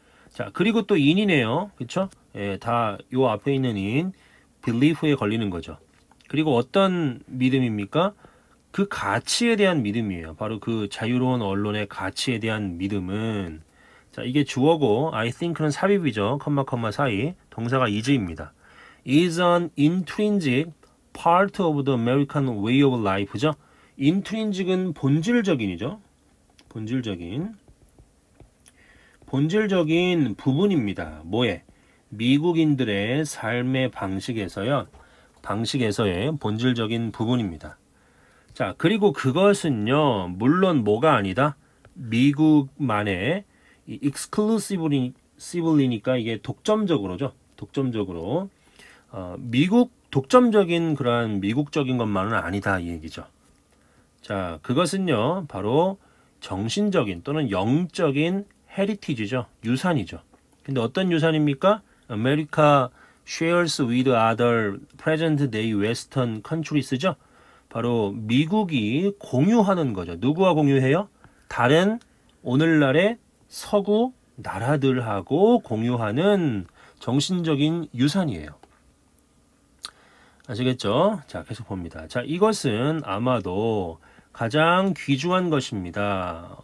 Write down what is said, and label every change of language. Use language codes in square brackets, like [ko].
[ko] 자, 그리고 또 인이네요. 그쵸? 예, 다요 앞에 있는 인, belief에 걸리는 거죠. 그리고 어떤 믿음입니까? 그 가치에 대한 믿음이에요. 바로 그 자유로운 언론의 가치에 대한 믿음은. 자, 이게 주어고, I think는 삽입이죠. 컴마 컴마 사이. 동사가 is입니다. [en] is an intrinsic part of the American way of life죠. [ko] intrinsic은 본질적인이죠. 본질적인 부분입니다. 뭐에? 미국인들의 삶의 방식에서요. 방식에서의 본질적인 부분입니다. 자, 그리고 그것은요. 물론 뭐가 아니다. 미국만의 exclusively니까 이게 독점적으로죠. 독점적으로. 미국 독점적인 그러한 미국적인 것만은 아니다 이 얘기죠. 자, 그것은요 바로 정신적인 또는 영적인 헤리티지죠, 유산이죠. 근데 어떤 유산입니까? [en] America shares with other present day Western countries죠. [ko] 바로 미국이 공유하는 거죠. 누구와 공유해요? 다른 오늘날의 서구 나라들하고 공유하는 정신적인 유산이에요. 아시겠죠? 자, 계속 봅니다. 자, 이것은 아마도 가장 귀중한 것입니다.